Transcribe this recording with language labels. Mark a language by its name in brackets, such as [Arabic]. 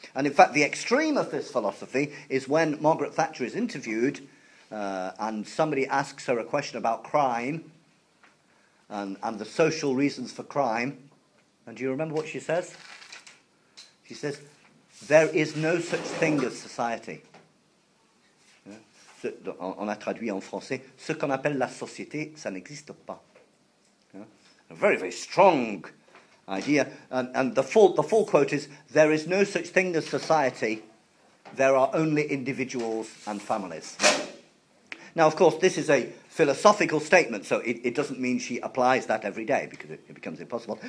[English] And in fact, the extreme of this philosophy is when Margaret Thatcher is interviewed and somebody asks her a question about crime and the social reasons for crime. And do you remember what she says? She says, there is no such thing as society. [French] On a traduit en français, ce qu'on appelle la société, ça n'existe pas. [English] A very, very strong idea. And the full quote is, there is no such thing as society. There are only individuals and families. Now, of course, this is a philosophical statement, so it doesn't mean she applies that every day because it becomes impossible.